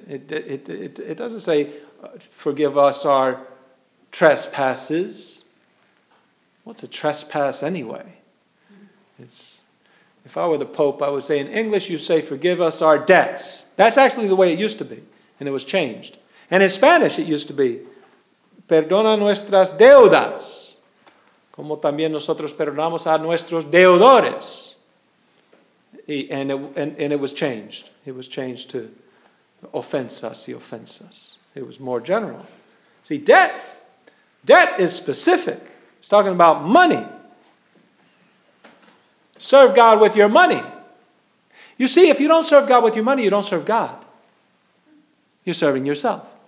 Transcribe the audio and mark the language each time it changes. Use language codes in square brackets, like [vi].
[en] It doesn't say, forgive us our trespasses. What's a trespass anyway? If I were the Pope, I would say in English, you say, forgive us our debts. That's actually the way it used to be, and it was changed. And in Spanish, it used to be, [es] perdona nuestras deudas, como también nosotros perdonamos a nuestros deudores. [en] And it was changed. It was changed to ofensas, y ofensas. It was more general. See, debt is specific. It's talking about money. Serve God with your money. You see, if you don't serve God with your money, you don't serve God. You're serving yourself.